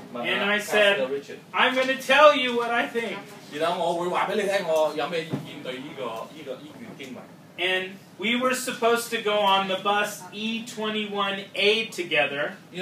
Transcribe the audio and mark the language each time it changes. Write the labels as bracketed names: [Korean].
[English] And I said, I'm going to tell you what I think. [Chinese] 然後我會告訴你我有什麼意見對這段經文。 [English] And we were supposed to go on the bus E21A together.